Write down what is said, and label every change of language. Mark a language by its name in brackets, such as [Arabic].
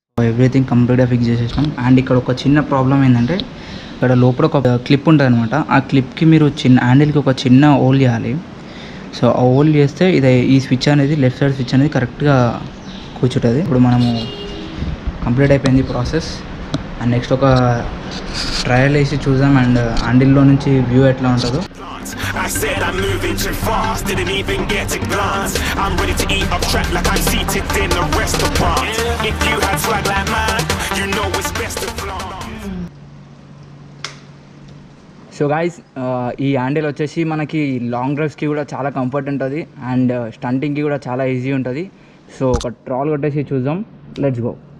[Telugu] Everything కంప్లీట్గా fix చేసేసినాం. And ఇక్కడ ఒక చిన్న ప్రాబ్లం ఏంటంటే, ఇక్కడ లోపల ఒక క్లిప్ ఉంటుంది అనమాట, ఆ క్లిప్కి మీరు చిన్న హ్యాండిల్కి ఒక చిన్న హోల్ చేయాలి. సో ఆ హోల్ చేస్తే ఇది ఈ స్విచ్ అనేది లెఫ్ట్ సైడ్ స్విచ్ అనేది కరెక్ట్గా కూర్చుంటుంది. ఇప్పుడు మనము కంప్లీట్ అయిపోయింది ప్రాసెస్. అండ్ నెక్స్ట్ ఒక ట్రయల్ వేసి చూద్దాం, అండ్ హ్యాండిల్లో నుంచి వ్యూ ఎట్లా ఉంటుందో. [English] I said I'm moving too fast, didn't even get a glance. I'm ready to eat up track like I'm seated in a restaurant. If you had swag like mine, you know it's best to flaunt. So guys, [Telugu] ఈ handle వచ్చేసి మనకి long డ్రైవ్స్కి కూడా చాలా comfort ఉంటుంది, and స్టంటింగ్కి కూడా చాలా easy ఉంటుంది. So ఒక ట్రాల్ కొట్టేసి చూద్దాం, లెట్స్ గో.